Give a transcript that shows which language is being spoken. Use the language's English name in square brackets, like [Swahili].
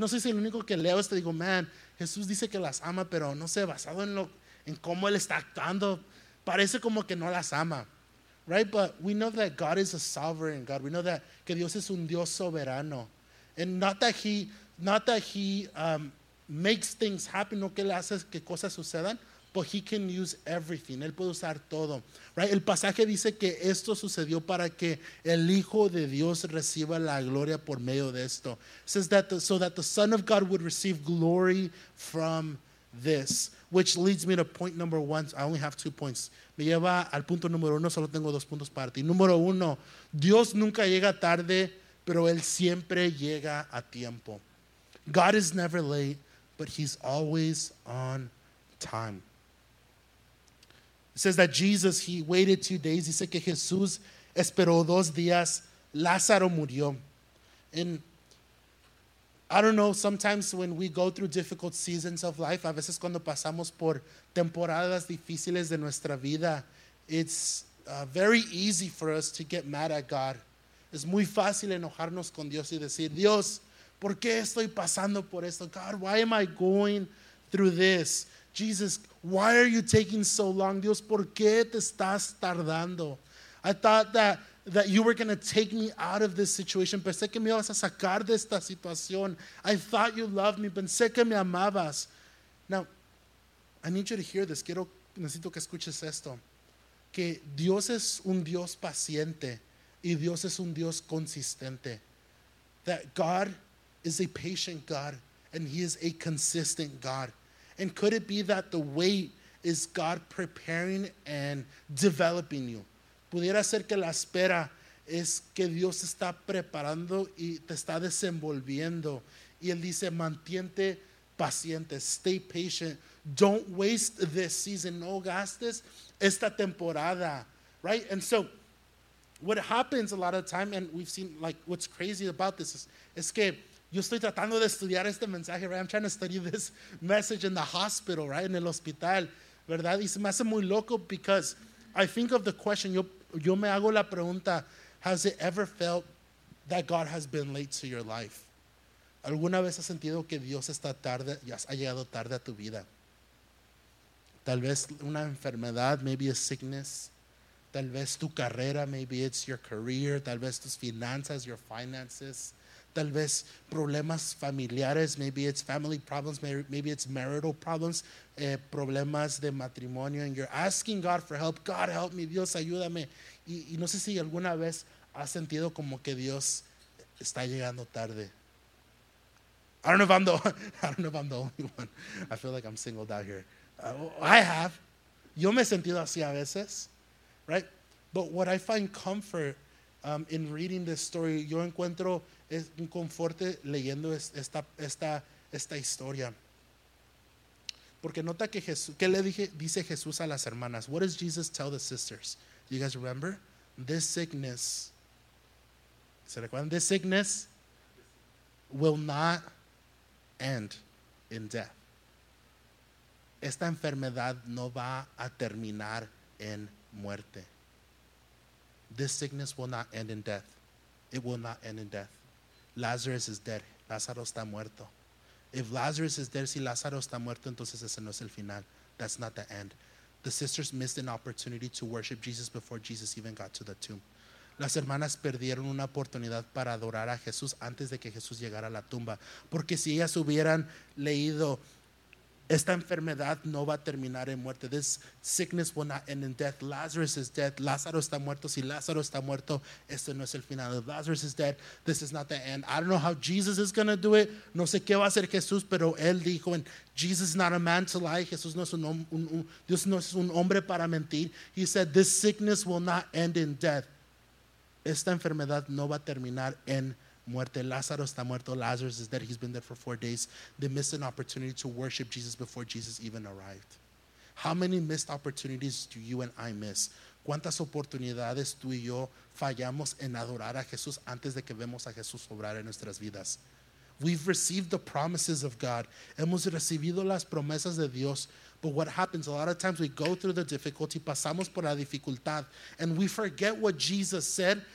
[Spanish] No sé si el único que leo esto digo, man, Jesús dice que las ama, pero no sé, basado en lo, en cómo él está actuando, parece como que no las ama. [English] Right? But we know that God is a sovereign God. We know that [Spanish] que Dios es un Dios soberano. [English] And not that he makes things happen, [Spanish] no que le hace que cosas sucedan. [English] But he can use everything. [Spanish] Él puede usar todo. [English] Right? [Spanish] El pasaje dice que esto sucedió para que el Hijo de Dios reciba la gloria por medio de esto. [English] It says that so that the Son of God would receive glory from this. Which leads me to point number one. I only have 2 points. [Spanish] Me lleva al punto número uno. Solo tengo 2 puntos para ti. Número uno, Dios nunca llega tarde, pero Él siempre llega a tiempo. [English] God is never late, but He's always on time. It says that Jesus, he waited 2 days. [Spanish] Dice que Jesús esperó dos días. Lázaro murió. [English] And I don't know, sometimes when we go through difficult seasons of life, [Spanish] a veces cuando pasamos por temporadas difíciles de nuestra vida, [English] it's very easy for us to get mad at God. [Spanish] Es muy fácil enojarnos con Dios y decir, Dios, ¿por qué estoy pasando por esto? [English] God, why am I going through this? Jesus, why are you taking so long? [Spanish] Dios, ¿por qué te estás tardando? [English] I thought that you were going to take me out of this situation. [Spanish] Pensé que me ibas a sacar de esta situación. [English] I thought you loved me. Pensé que me amabas. Now, I need you to hear this. [Spanish] Necesito que escuches esto. Que Dios es un Dios paciente y Dios es un Dios consistente. [English] That God is a patient God and He is a consistent God. And could it be that the wait is God preparing and developing you. [Spanish] Pudiera ser que la espera es que Dios está preparando y te está desenvolviendo. Y Él dice, mantiente paciente, [English] stay patient. Don't waste this season. [Spanish] No gastes esta temporada, [English] right? And so, what happens a lot of time, and we've seen, like, what's crazy about this is [Spanish] que yo estoy tratando de estudiar este mensaje, [English] right? I'm trying to study this message in the hospital, right? [Spanish] En el hospital, ¿verdad? Y se me hace muy loco [English] because I think of the question, [Spanish] yo me hago la pregunta, [English] has it ever felt that God has been late to your life? [Spanish] ¿Alguna vez has sentido que Dios está tarde, ha llegado tarde a tu vida? Tal vez una enfermedad, [English] maybe a sickness. [Spanish] Tal vez tu carrera, [English] maybe it's your career. [Spanish] Tal vez tus finanzas, [English] your finances. [Spanish] Tal vez problemas familiares, [English] maybe it's family problems, maybe it's marital problems, [Spanish] problemas de matrimonio, [English] and you're asking God for help. God, help me, [Spanish] Dios, ayúdame. Y no sé si alguna vez has sentido como que Dios está llegando tarde. [English] I don't know if I'm the only one. I feel like I'm singled out here. I have. [Spanish] Yo me he sentido así a veces, right? [English] But what I find comfort in reading this story, [Spanish] yo encuentro un conforte leyendo esta historia. Porque nota que Jesús, ¿qué le dice Jesús a las hermanas? [English] What does Jesus tell the sisters? You guys remember? This sickness. [Spanish] ¿Se recuerdan? [English] This sickness will not end in death. [Spanish] Esta enfermedad no va a terminar en muerte. [English] This sickness will not end in death. It will not end in death. Lazarus is dead. [Spanish] Lázaro está muerto. [English] If Lazarus is dead, [Spanish] si Lázaro está muerto, entonces ese no es el final. [English] That's not the end. The sisters missed an opportunity to worship Jesus before Jesus even got to the tomb. [Spanish] Las hermanas perdieron una oportunidad para adorar a Jesús antes de que Jesús llegara a la tumba. Porque si ellas hubieran leído, esta enfermedad no va a terminar en muerte. [English] This sickness will not end in death. Lazarus is dead. [Spanish] Lázaro está muerto. Si Lázaro está muerto, este no es el final. [English] If Lazarus is dead, this is not the end. I don't know how Jesus is going to do it. [Spanish] No sé qué va a hacer Jesús, pero Él dijo, [English] and Jesus is not a man to lie. [Spanish] Jesús no es Dios no es un hombre para mentir. [English] He said, this sickness will not end in death. [Spanish] Esta enfermedad no va a terminar en muerte. Lázaro está muerto. [English] Lazarus is dead. He's been there for 4 days. They missed an opportunity to worship Jesus before Jesus even arrived. How many missed opportunities do you and I miss? [Spanish] ¿Cuántas oportunidades tú y yo fallamos en adorar a Jesús antes de que vemos a Jesús obrar en nuestras vidas? [English] We've received the promises of God. [Spanish] Hemos recibido las promesas de Dios. [English] But what happens, a lot of times we go through the difficulty, [Spanish] pasamos por la dificultad, [English] and we forget what Jesus said.